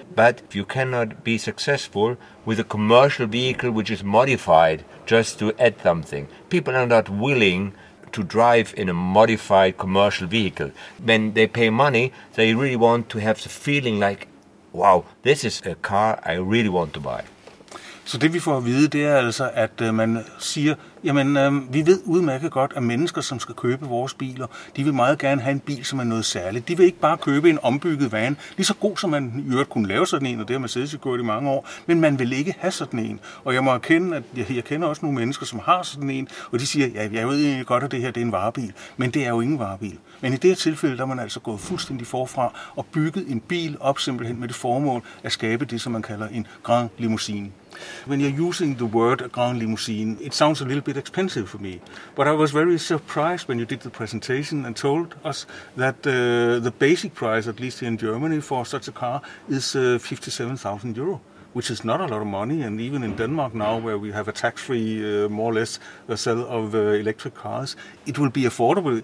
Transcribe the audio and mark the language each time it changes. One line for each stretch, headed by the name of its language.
English: But you cannot be successful with a commercial vehicle which is modified just to add something. People are not willing to drive in a modified commercial vehicle. When they pay money, they really want to have the feeling like, wow, this is a car I really want to buy.
Danish: Så det vi får at vide, det er altså, at man siger, jamen vi ved udmærket godt, at mennesker, som skal købe vores biler, de vil meget gerne have en bil, som er noget særligt. De vil ikke bare købe en ombygget van, lige så god som man i øvrigt kunne lave sådan en, og det har Mercedes gjort i mange år, men man vil ikke have sådan en. Og jeg må erkende, at jeg kender også nogle mennesker, som har sådan en, og de siger, ja, jeg ved egentlig godt, at det her det er en varebil, men det er jo ingen varebil. Men i det her tilfælde, der er man altså gået fuldstændig forfra og bygget en bil op simpelthen med det formål at skabe det, som man kalder en grand limousine.
English: When you're using the word grand limousine, it sounds a little bit expensive for me. But I was very surprised when you did the presentation and told us that the basic price, at least here in Germany, for such a car is 57,000 euro, which is not a lot of money. And even in Denmark now, where we have a tax-free, more or less, sale of electric cars, it will be affordable.